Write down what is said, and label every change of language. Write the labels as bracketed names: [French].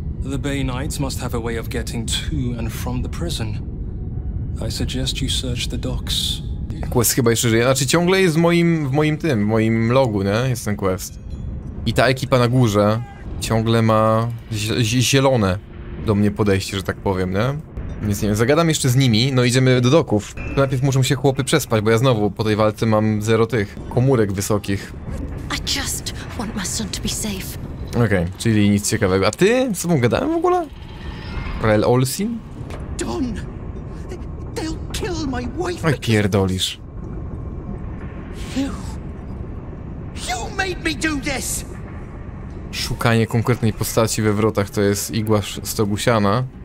[English] The Bay Knights must have a way of getting to and from the prison. I suggest you search the docks. [Polish] Quest chyba jeszcze żyje. Znaczy ciągle jest w moim logu, nie? Jest ten quest. I ta ekipa na górze ciągle ma zielone do mnie podejście, że tak powiem, nie? Więc nie wiem, zagadam jeszcze z nimi, no idziemy do doków. Najpierw muszą się chłopy przespać, bo ja znowu po tej walce mam zero tych komórek wysokich. [English] I just want my son to be safe. [Polish] Okej, okay, czyli nic ciekawego. A ty? Z sobą gadałem w ogóle? Rael Olsin? [English] Don! They'll kill my wife! [Polish] Oj, pierdolisz. [English] You made me do this! [Polish] Szukanie konkretnej postaci we wrotach to jest igła stogusiana.